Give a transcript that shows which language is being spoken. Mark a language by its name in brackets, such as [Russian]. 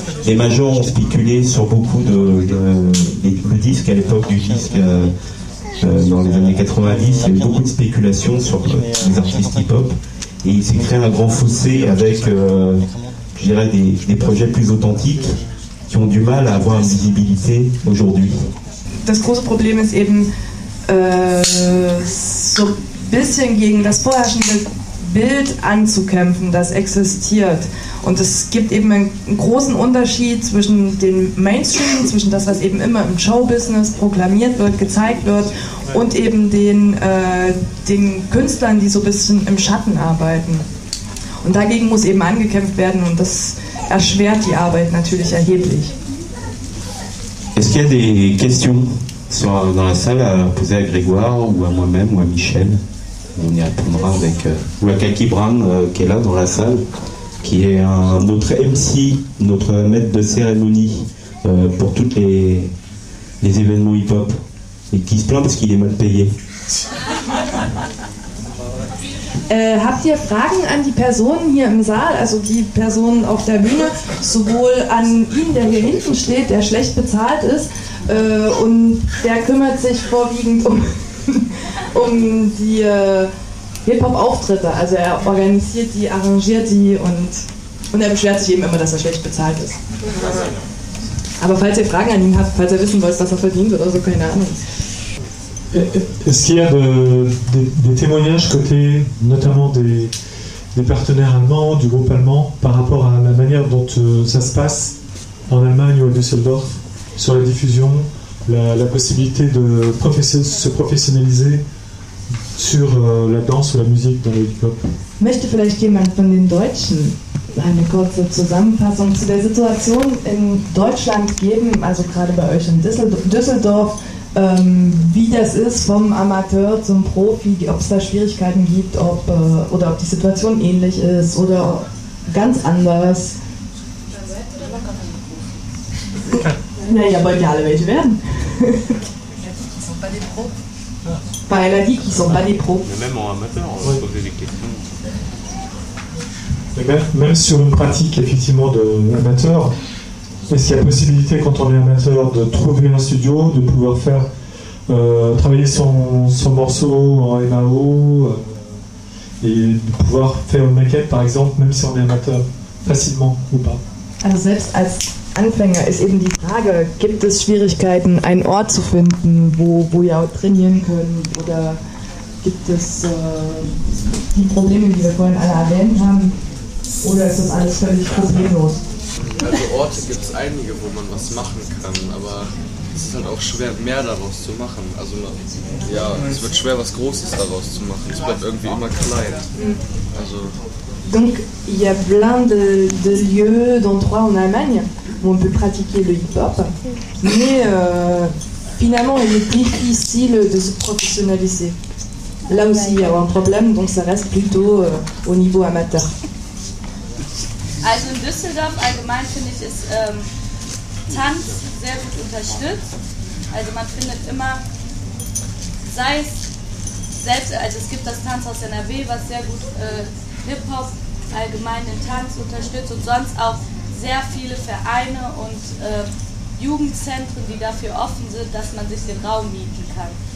[French] Les majors ont spéculé sur beaucoup de disques à l'époque du disque. Dans les années 90, il y a eu beaucoup de spéculations sur les artistes hip-hop. Et il s'est créé un grand fossé avec, je dirais, des projets plus authentiques qui ont du mal à avoir une visibilité aujourd'hui. [German] Das große Problem ist eben so ein bisschen gegen das vorherrschende Bild anzukämpfen, das existiert. Und es gibt eben einen großen Unterschied zwischen den Mainstream, zwischen das, was eben immer im Showbusiness proklamiert wird, gezeigt wird, und eben den Künstlern, die so ein bisschen im Schatten arbeiten. Und dagegen muss eben angekämpft werden und das erschwert die Arbeit natürlich erheblich. [French] Est-ce qu'il y a des questions sur, dans la salle à poser à Grégoire ou à moi-même ou à Michel? On y répondra avec... ou à Kaki Brown qui est là dans la salle, qui est notre MC, notre maître de cérémonie pour tous les événements hip-hop et qui se plaint parce qu'il est mal payé. [German] Habt ihr Fragen an die Personen hier im Saal, also die Personen auf der Bühne, sowohl an ihn, der hier hinten steht, der schlecht bezahlt ist und der kümmert sich vorwiegend um die Hip-Hop-Auftritte, also er organisiert die, arrangiert die und er beschwert sich eben immer, dass er schlecht bezahlt ist. Aber falls ihr Fragen an ihn habt, falls ihr wissen wollt, was er verdient oder so, keine Ahnung. [French] Est-ce qu'il y a des témoignages côté notamment des partenaires allemands, du groupe allemand, par rapport à la manière dont ça se passe en Allemagne ou à Düsseldorf, sur la diffusion, la possibilité de se professionnaliser sur la danse ou la musique dans le hip-hop? [German] Möchte vielleicht jemand von den Deutschen eine kurze Zusammenfassung zu der Situation in Deutschland geben, also gerade bei euch in Düsseldorf? Wie das ist vom Amateur zum Profi, ob es da Schwierigkeiten gibt, oder ob die Situation ähnlich ist oder ganz anders. Naja, wollt ihr alle welche werden? Weil er sagt, [French] ils sont pas des pros. Même en amateur, on va poser des questions. Même sur une pratique effectivement de amateur. Est-ce qu'il y a possibilité, quand on est amateur, de trouver un studio, de pouvoir faire travailler son morceau en MAO et de pouvoir faire une maquette, par exemple, même si on est amateur, facilement ou pas? [German] Alors, selbst als Anfänger ist eben die Frage, gibt es Schwierigkeiten, einen Ort zu finden, wo ihr auch trainieren könnt, oder gibt es die Probleme, die wir vorhin alle erwähnt haben, oder ist das alles völlig problemlos? Also Orte gibt es einige, wo man was machen kann, aber es ist halt auch schwer, mehr daraus zu machen. Also ja, es wird schwer, was Großes daraus zu machen. Es bleibt irgendwie immer klein. Also [French] donc il y a plein de lieux, d'endroits en Allemagne où on peut pratiquer le hip-hop, mais finalement il est difficile de se professionnaliser. Là aussi il y a un problème, donc ça reste plutôt au niveau amateur. [German] Also in Düsseldorf allgemein finde ich, ist Tanz sehr gut unterstützt. Also man findet immer, sei es selbst, also es gibt das Tanzhaus NRW, was sehr gut Hip-Hop allgemein den Tanz unterstützt und sonst auch sehr viele Vereine und Jugendzentren, die dafür offen sind, dass man sich den Raum mieten kann.